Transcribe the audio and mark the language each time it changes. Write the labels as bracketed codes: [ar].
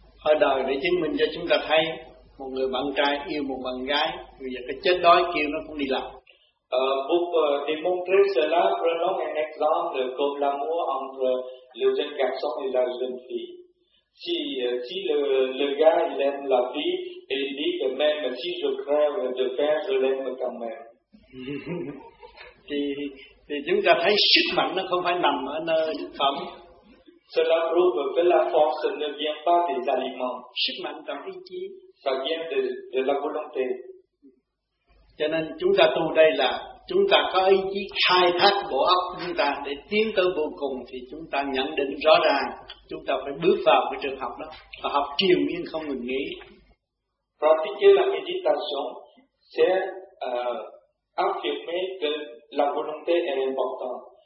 [vi] Ở đời để chứng minh cho chúng ta thấy, một người bạn trai yêu một bạn gái, bây giờ cái chết đói kêu nó cũng đi làm. [fr] Pour démontrer cela, prenons un exemple comme l'amour entre le jeune garçon et la jeune fille. Si le gars il aime la fille, et il dit que même si je crève de faim, je l'aime quand même. [vi] Thì chúng ta thấy sức mạnh nó không phải nằm ở nơi thực phẩm. [fr] Cela prouve que la force ne vient pas des aliments. [vi] Sức mạnh dans ý chí. [fr] Ça vient de la volonté. [vi] Cho nên chúng ta tu đây là chúng ta có ý chí khai thác bộ óc chúng ta để tiến tới vô cùng, thì chúng ta nhận định rõ ràng chúng ta phải bước vào cái trường học đó và học triền miên không ngừng nghỉ. [fr] Pratiquer la méditation, c'est affirmer que la volonté est importante.